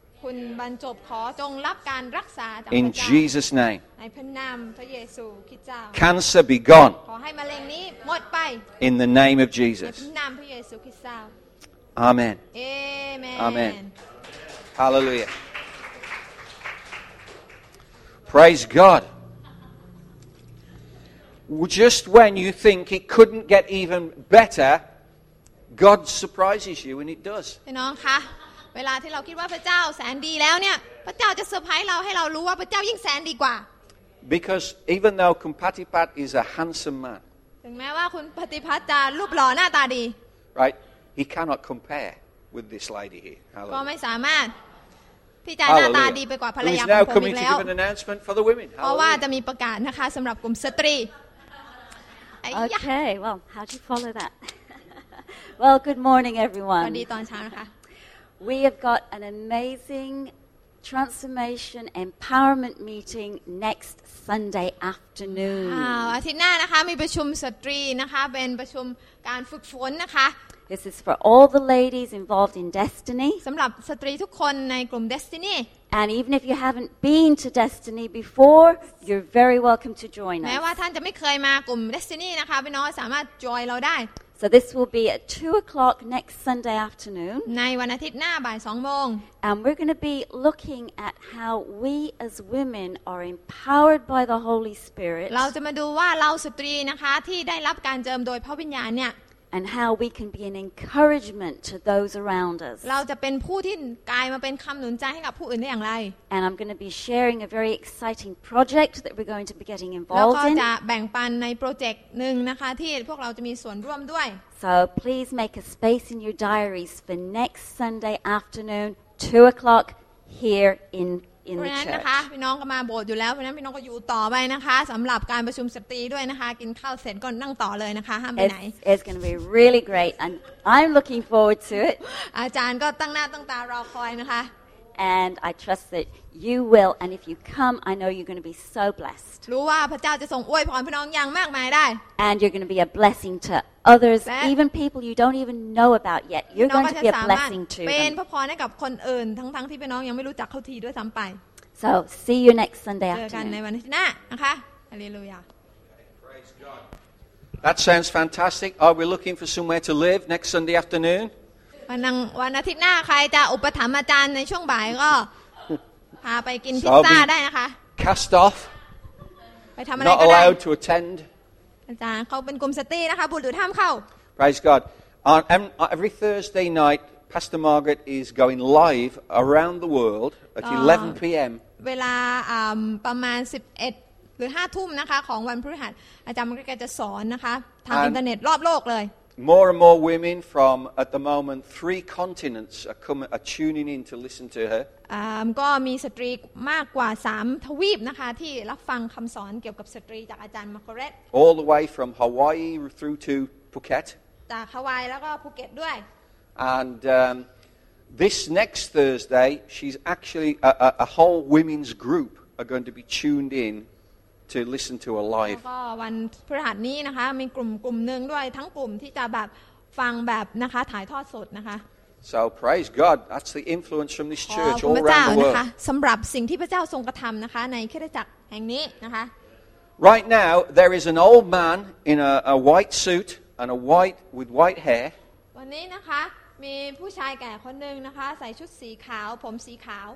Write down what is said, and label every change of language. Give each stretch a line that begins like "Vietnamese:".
Thai: คุณบรรจบขอจงรับการรักษาจาก ในพระนามพระเยซูคริสต์เจ้า
English: Cancer be gone
Thai: ขอให้มะเร็งนี้หมดไป
English: In the name of Jesus
Thai: ในพระนามพระเยซูคริสต์เจ้า
English: Amen Amen Amen Hallelujah Praise God Just when you think it couldn't get even better God surprises you and it does
Thai: พี่น้องคะเวลาที่เราคิดว่าพระเจ้าแสนดีแล้วเนี่ยพระเจ้าจะเซอร์ไพรส์เราให้เรารู้ว่าพระเจ้ายิ่งแสนดีกว่า
English: Because even though Kumpatipat is a handsome man
Thai: ถึงแม้ว่าคุณปฏิพัทธ์จะรูปหล่อหน้าตาดี
English: Right he cannot compare with this lady here
Thai: ก็ไม่สามารถที่จะหน้าตาดีไปกว่าภรรยาของผมอีกแล้ว เพราะว่าจะมีประกาศนะคะสำหรับกลุ่มสตรี
English: Okay well how do you follow that Well good morning everyone
Thai: สวัสดีตอนเช้านะคะ
English: We have got an amazing transformation empowerment meeting next Sunday afternoon.
Thai: Wow, อาทิตย์หน้านะคะมีประชุมสตรีนะคะเป็นประชุมการฝึกฝนนะคะ
English: This is for all the ladies involved in Destiny.
Thai: สำหรับสตรีทุกคนในกลุ่ม Destiny.
English: And even if you haven't been to Destiny before, you're very welcome to join us.
Thai: แม้ว่าท่านจะไม่เคยมากลุ่ม Destiny นะคะพี่น้องสามารถ join เราได้
English: So this will be at 2:00 next Sunday afternoon.
Thai: ในวันอาทิตย์หน้าบ่าย 2:00
English: And we're going to be looking at how we as women are empowered by the Holy Spirit.
Thai: เราจะมาดูว่าเราสตรีนะคะที่ได้รับการเจิมโดยพระวิญญาณเนี่ย
English: And how we can be an encouragement to those around us.
Thai: เราจะเป็นผู้ที่กลายมาเป็นคำหนุนใจให้กับผู้อื่นได้อย่างไร
English: And I'm going to be sharing a very exciting project that we're going to be getting involved in.
Thai: เราก็จะแบ่งปันในโปรเจกต์หนึ่งนะคะที่พวกเราจะมีส่วนร่วมด้วย
English: So please make a space in your diaries for next Sunday afternoon, 2:00 here in the church.
Thai: นะคะพี่น้องก็มาโบสถ์อยู่แล้วเพราะนั้นพี่น้องก็อยู่ต่อไปนะคะสำหรับการประชุมสตรีด้วยนะคะกินข้าวเสร็จก็นั่งต่อเลยนะคะห้ามไปไหน
English: It's going to be really great and I'm looking forward to it
Thai: อาจารย์ก็ตั้งหน้าตั้งตารอคอยนะคะ
English: And I trust that you will and if you come I know you're going to be so blessed
Thai: รู้ว่าพระเจ้าจะทรงอวยพรพี่น้องอย่างมากมายได้
English: And you're going to be a blessing to others even people you don't even know about yet you're going to be a blessing to
Thai: เป็นพระพรให้กับคนอื่นทั้งที่พี่น้องยังไม่รู้จักเขาทีด้วยซ้ำไป
English: So see you next Sunday afternoon.
Thai: เจอกันในวันอาทิตย์หน้านะคะ Hallelujah.
English: That sounds fantastic. Are we looking for somewhere to live next Sunday afternoon?
Thai: วันอาทิตย์หน้าใครจะอุปถัมภ์อาจารย์ในช่วงบ่ายก็พาไปกินพิซซ่าได้นะคะ
English: Cast off.
Thai: ไปทำอะไ
English: ร Not allowed to attend.
Thai: อาจารย์เขาเป็นกลุ่มสตรีนะคะบุตรห้ามเข้า
English: Praise God. Every Thursday night, Pastor Margaret is going live around the world at 11 p.m.
Thai: เวลาประมาณ11หรือ5ทุ่มนะคะของวันพฤหัสอาจารย์มังกรแกจะสอนนะคะทางอินเทอร์เน็ตรอบโลกเลย
English: More and more women from at the moment 3 continents are tuning in to listen to her
Thai: ก็มีสตรีมากกว่า3ทวีปนะคะที่รับฟังคำสอนเกี่ยวกับสตรีจากอาจารย์มาโคเรต
English: All the way from Hawaii through to Phuket
Thai: จากฮาวายแล้วก็ภูเก็ตด้วย
English: andThis next Thursday, she's actually a whole women's group are going to be tuned in to listen to her live.
Thai: แล้วก็วันพฤหัสนี้นะคะมีกลุ่มนึงด้วยทั้งกลุ่มที่จะแบบฟังแบบนะคะถ่ายทอดสดนะคะ
English: So praise God, that's the influence from this church all around the world.
Thai: ขอบคุณพระเจ้านะคะสำหรับสิ่งที่พระเจ้าทรงกระทำนะคะในคริสตจักรแห่งนี้นะคะ
English: Right now, there is an old man in a white suit and with white hair.
Thai: วันนี้นะคะมีผู้ชายแก่คนหนึ่งนะคะใส่ชุดสีขาวผมสีขาว